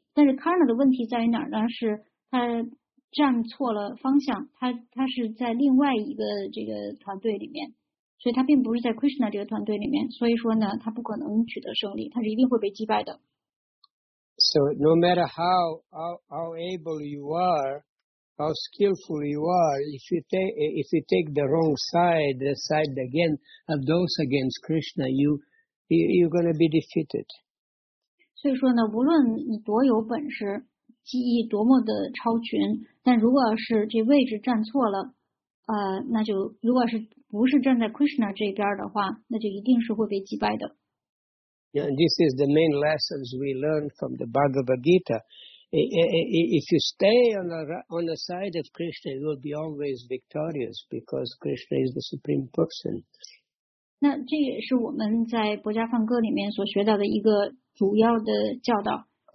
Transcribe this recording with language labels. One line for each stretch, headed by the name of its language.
Chinese: 但是 Karna 的问题在于哪儿呢？是他站错了方向，他是在另外一个这个团队里面。所以他并不是在 Krishna 这个团队里面，所以说呢，他不可能取得胜利，他是一定会被击败的。
English: So no matter how able you are, how skillful you are, if you take the wrong side, the side again of those against Krishna, you're going to be defeated.
Chinese: 所以说呢，无论你多有本事，技艺多么的超群，但如果是这位置站错了。那就如果是不是站在 Krishna 这边的话，那就一定是会被击败的。
English: Yeah, and this is the main lessons we learn from the Bhagavad Gita. If you stay on the side of Krishna, you will be always victorious because Krishna is the supreme person.
Chinese: 那这也是我们在《薄伽梵歌》里面所学到的一个主要的教导。